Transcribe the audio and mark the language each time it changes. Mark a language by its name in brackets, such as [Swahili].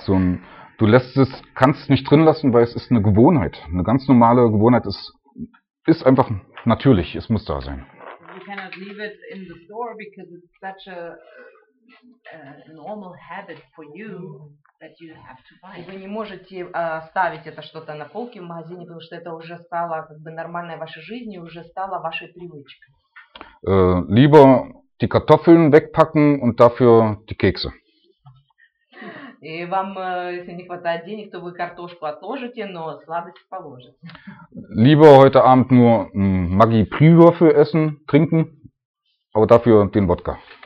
[German] So ein Du lässt es, kannst es nicht drin lassen, weil es ist eine Gewohnheit. Eine ganz normale Gewohnheit ist einfach natürlich, es muss da sein. [English] You cannot leave it in the store because it's such a normal habit for you that you have to buy. [Russian] Вы не можете оставить это что-то на полке в магазине, потому что это уже стало как бы нормальной вашей жизнью, уже стало вашей привычкой. [German] Lieber die Kartoffeln wegpacken und dafür die Kekse. [Russian] И вам, если не хватает денег, то вы картошку отложите, но сладость положите. [German] Lieber heute Abend nur Maggi Prüwürfel essen, trinken, aber dafür den Wodka.